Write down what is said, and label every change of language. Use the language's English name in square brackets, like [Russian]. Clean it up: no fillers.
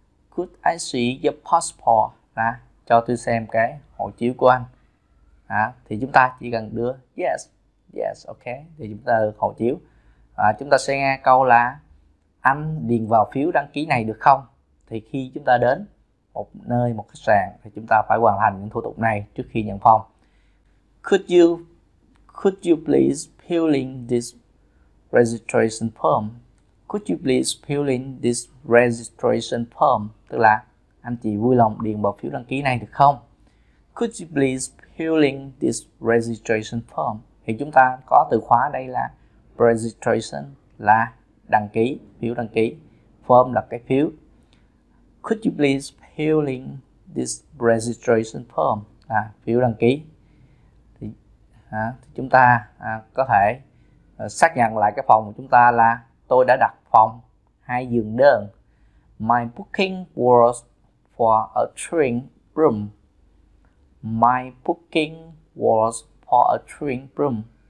[English] Could I see your passport? [Vietnamese] Là cho tôi xem cái hộ chiếu của anh. Thì chúng ta chỉ cần đưa yes, yes, ok, thì chúng ta được hộ chiếu. Chúng ta sẽ nghe câu là anh điền vào phiếu đăng ký này được không? Thì khi chúng ta đến một nơi, một khách sạn, thì chúng ta phải hoàn thành những thủ tục này trước khi nhận phòng. [English] Could you please fill in this registration form? Could you please fill in this registration form? [Vietnamese] Tức là anh chị vui lòng điền vào phiếu đăng ký này được không? [English] Could you please fill in this registration form? [Vietnamese] Thì chúng ta có từ khóa đây là registration, là đăng ký, phiếu đăng ký. Form là cái phiếu. [English] Could you please fill in this registration form? [Vietnamese] Phiếu đăng ký. Thì chúng ta có thể xác nhận lại cái phòng của chúng ta là tôi đã đặt phòng 2 giường đơn. [English] My booking was for a twin room. My booking was for a twin room.